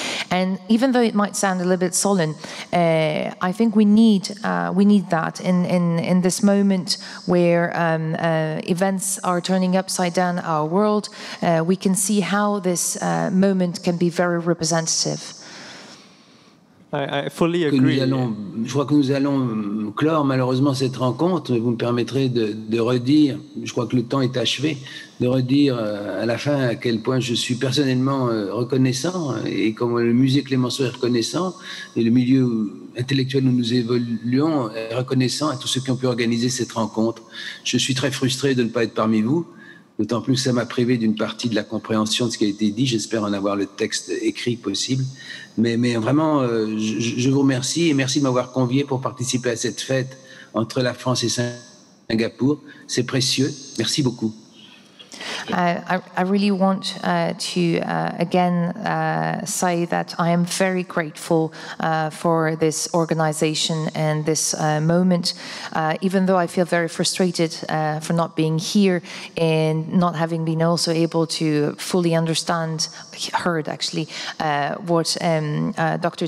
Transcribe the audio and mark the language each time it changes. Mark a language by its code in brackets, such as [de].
[en] And even though it might sound a little bit sullen, I think we need that in this moment where events are turning upside down our world. We can see how this moment can be very representative. I fully agree. [fr] Je crois que nous allons clore malheureusement cette rencontre, mais vous me permettrez de redire, je crois que le temps est achevé, de redire à la fin à quel point je suis personnellement reconnaissant, et comme le musée Clemenceau est reconnaissant, et le milieu intellectuel où nous évoluons est reconnaissant à tous ceux qui ont pu organiser cette rencontre. Je suis très frustré de ne pas être parmi vous, d'autant plus que ça m'a privé d'une partie de la compréhension de ce qui a été dit. J'espère en avoir le texte écrit possible. Mais vraiment, je vous remercie et merci de m'avoir convié pour participer à cette fête entre la France et Singapour. C'est précieux. Merci beaucoup. [en] I really want to again say that I am very grateful for this organization and this moment, even though I feel very frustrated for not being here and not having been also able to fully understand, heard actually, what Dr.